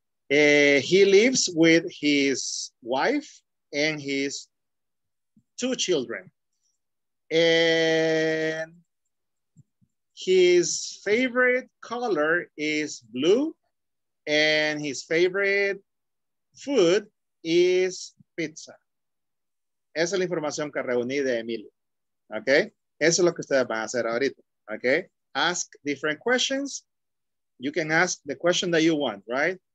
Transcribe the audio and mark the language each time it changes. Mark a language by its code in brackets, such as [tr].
[en] He lives with his wife and his two children. And his favorite color is blue, and his favorite food is pizza. [es] Esa es la información que reuní de Emilio. Okay? Eso es lo que ustedes van a hacer ahorita. [en] Okay? Ask different questions. You can ask the question that you want, right?